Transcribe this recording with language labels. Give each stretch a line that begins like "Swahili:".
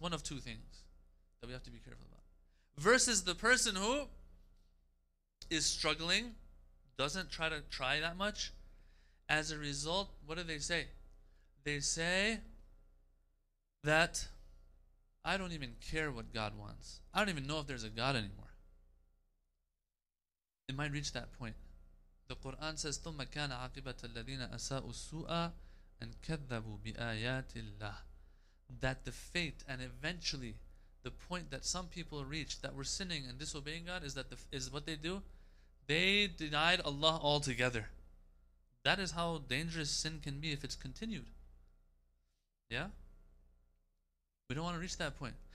English: One of two things that we have to be careful about. Versus the person who is struggling, doesn't try to try that much. As a result, what do they say? They say that I don't even care what God wants. I don't even know if there's a God anymore. It might reach that point. The Quran says,
Arabic: ثُمَّ كَانَ عَقِبَةَ الَّذِينَ أَسَاءُوا السُّوءَ أَنْ كَذَّبُوا بِآيَاتِ اللَّهِ.
English: That the fate, and eventually the point that some people reach that we're sinning and disobeying God, is that is what they do? They denied Allah altogether. That is how dangerous sin can be if it's continued. Yeah? We don't want to reach that point.